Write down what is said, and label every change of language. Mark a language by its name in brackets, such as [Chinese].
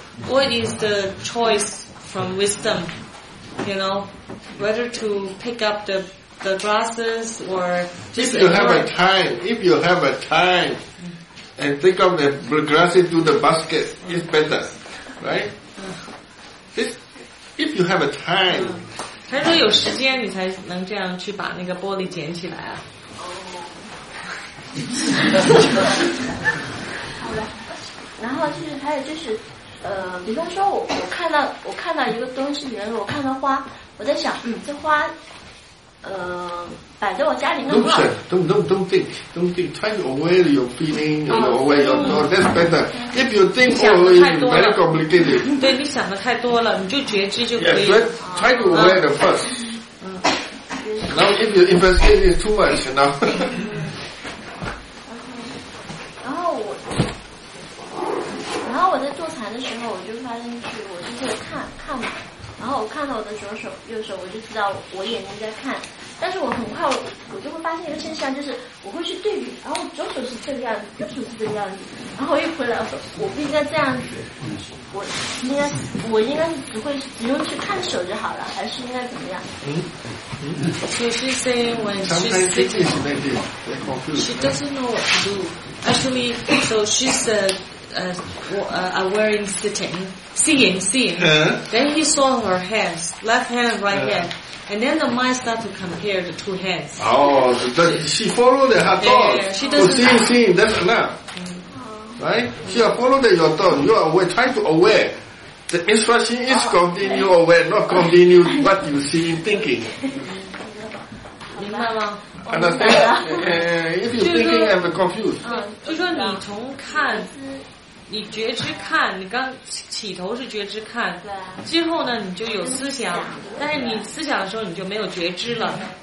[English] What is the choice from wisdom, you know, whether to pick up the glasses or just if you have a time, and take up the glasses to the basket, it's better. right? If you have a time, [Chinese] 他说有时间你才能这样去把那个玻璃捡起来啊。好的，然后就是还有就是，比方说我看到一个东西，比方说我看到花，我在想，这花，摆在我家里弄不好。 [English] Don't think. Try to avoid your feeling, avoid your thought. That's better. If you think all is very complicated. [Chinese] 对，你想的太多了，你就觉知就可以。 [English] Yes, try to avoid the first. Now, if you investigate it too much, now. [Chinese] 我在坐禅的时候，我就发现是我就是看嘛，然后我看到我的左手右手，我就知道我眼睛在看，但是我很快我就会发现一个现象，就是我会去对比，然后左手是这个样子，右手是这个样子，然后我一回来说我不应该这样子，我应该只会只用去看手就好了，还是应该怎么样？ [English] So she say when she's sitting, she doesn't know what to do. Actually, so she said. Wearing sitting, seeing.、Then he saw her hands, left hand, right hand, and then the mind start to compare the two hands. Oh, she followed her thought. Yeah, she doesn't see, that's enough.、Right? She followed your thought. You are aware, trying to aware. The instruction is continue aware, not continue what you see in thinking. [Chinese] 明白吗？ [English] And I think, if you're thinking, I'm confused. [Chinese] 就说你从看，你觉知看，你刚起头是觉知看，之后呢，你就有思想，但是你思想的时候，你就没有觉知了。